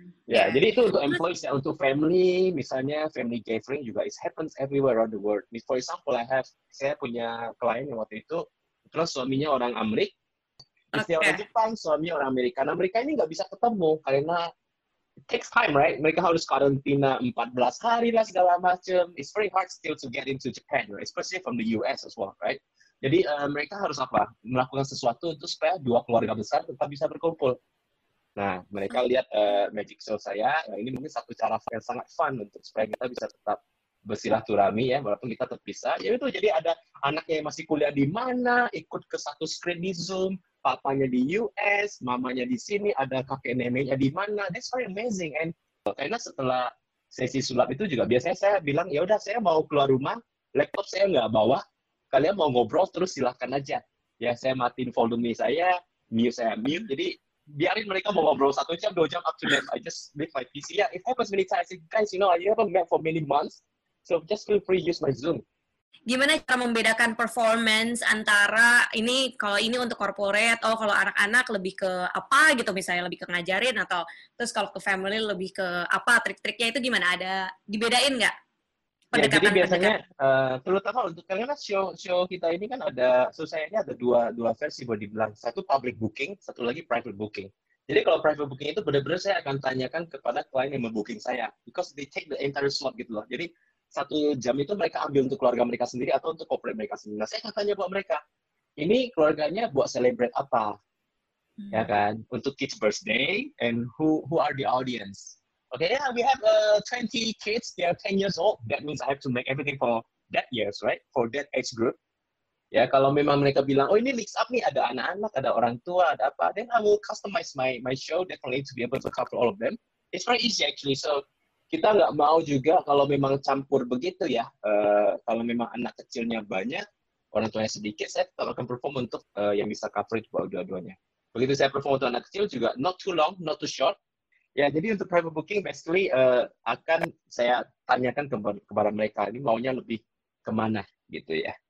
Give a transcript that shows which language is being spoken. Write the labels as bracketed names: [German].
[Indonesian] Ya, jadi itu untuk employees ya, untuk family, misalnya family gathering juga [English] it happens everywhere around the world. For example, [Indonesian] saya punya klien yang waktu itu terus suaminya orang Amerika, istri orang Jepang, suami orang Amerika. Nah, mereka ini nggak bisa ketemu karena [English] it takes time, right? [Indonesian] Mereka harus karantina 14 hari lah segala macam. [English] It's very hard still to get into Japan, right? Especially from the US as well, right? [Indonesian] Jadi mereka harus apa? Melakukan sesuatu untuk supaya dua keluarga besar tetap bisa berkumpul. Nah, mereka lihat magic show saya. Nah, ini mungkin satu cara yang sangat fun untuk supaya kita bisa tetap bersilaturahmi ya, walaupun kita terpisah. Ya itu, jadi ada anaknya yang masih kuliah di mana, ikut ke satu screen di Zoom, papanya di US, mamanya di sini, ada kakek neneknya di mana. [English] That's very amazing. [Indonesian] And karena setelah sesi sulap itu juga biasanya saya bilang, ya udah saya mau keluar rumah, laptop saya nggak bawa. Kalian mau ngobrol terus silahkan aja. Ya saya matiin volume saya, mute saya mute. Jadi biarin mereka mau ngobrol satu jam, dua jam, [English] up to them. I just leave my PC. Yeah, it happens many times. Guys, you know, I haven't met for many months. So just feel free use my Zoom. [Indonesian] Gimana cara membedakan performance antara ini kalau ini untuk corporate, oh kalau anak-anak lebih ke apa gitu misalnya, lebih ke ngajarin atau terus kalau ke family lebih ke apa, trik-triknya itu gimana, ada dibedain nggak? Ya, jadi biasanya terutama untuk kalian show kita ini kan ada susahnya ada dua versi boleh dibilang, satu public booking, satu lagi private booking. Jadi kalau private booking itu benar-benar saya akan tanyakan kepada klien yang membooking saya [English] because they take the entire slot [Indonesian] gitu loh. Jadi satu jam itu mereka ambil untuk keluarga mereka sendiri atau untuk corporate mereka sendiri. Nah, saya akan tanya buat mereka, ini keluarganya buat celebrate apa? Hmm. Ya kan? Untuk [English] kids birthday and who are the audience? Okay, yeah, we have 20 kids, they are 10 years old. That means I have to make everything for that years, right? For that age group. [Indonesian] Ya, kalau memang mereka bilang, oh ini mix up nih, ada anak-anak, ada orang tua, ada apa. [English] Then I will customize my show definitely to be able to cover all of them. It's very easy actually, so [Indonesian] kita nggak mau juga kalau memang campur begitu ya, kalau memang anak kecilnya banyak, orang tuanya sedikit, saya tetap akan perform untuk yang bisa coverage buat dua-duanya. Begitu saya perform untuk anak kecil juga, [English] not too long, not too short. [Indonesian] Ya, jadi untuk private booking, basically akan saya tanyakan kepada mereka, ini maunya lebih kemana gitu ya.